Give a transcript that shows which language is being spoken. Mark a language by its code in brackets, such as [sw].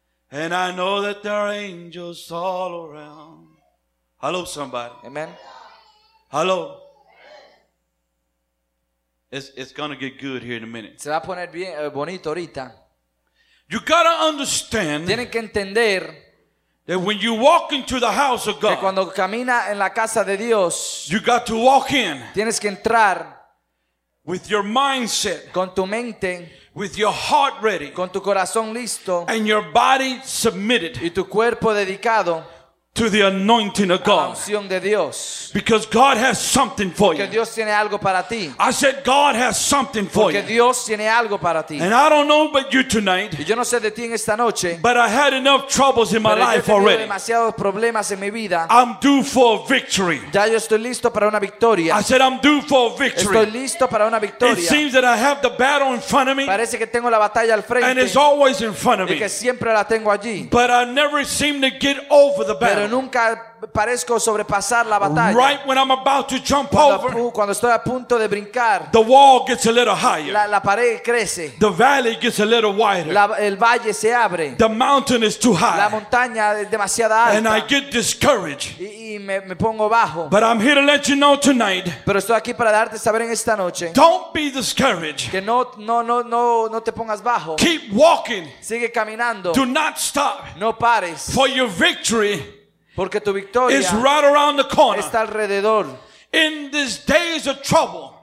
[en] And I know that there are angels all around. Hello, somebody. Amen. Hello. It's going to get good here in a minute. [es] Se va a poner bien, bonito ahorita. [en] You got to understand. [es] Tienen que entender [en] that when you walk into the house of God, [es] que cuando camina en la casa de Dios, [en] you got to walk in. [es] Tienes que entrar [en] with your mindset, [es] con tu mente, [en] with your heart ready, [es] con tu corazón listo, [en] and your body submitted, [es] y tu cuerpo dedicado [en] to the anointing of God. Unción [es] de Dios. [en] Because God has something for [es] porque [en] you. [es] Dios tiene algo para ti. [en] I said God has something for [es] porque [en] you. [es] Dios tiene algo para ti. [en] And I don't know about you tonight. [es] Y yo no sé de ti en esta noche, [en] but I had enough troubles in my life already. [es] Demasiados problemas en mi vida. [en] I'm due for a victory. [es] Ya yo estoy listo para una victoria. [en] I said I'm due for a victory. [es] Estoy listo para una victoria. [en] It seems that I have the battle in front of me. [es] Parece que tengo la batalla al frente, [en] and it's always in front of me. [es] Y que siempre la tengo allí. [en] But I never seem to get over the battle. [es] Pero nunca parezco sobrepasar la batalla. [en] Right when I'm about to jump over, [es] cuando estoy a punto de brincar, [en] the wall gets a little higher. [es] La pared crece. [en] The valley gets a little wider. [es] El valle se abre. [en] The mountain is too high. [es] La montaña es demasiado alta. [en] And I get discouraged. [es] Y me pongo bajo. [en] But I'm here to let you know tonight. [es] Pero estoy aquí para darte saber en esta noche. [en] Don't be discouraged. [es] Que no te pongas bajo. [en] Keep walking. [es] Sigue caminando. [en] Do not stop. [es] No pares. [en] For your victory. [es] Porque tu victoria [en] is right around the corner. [es] Está alrededor. [en] In these days of trouble,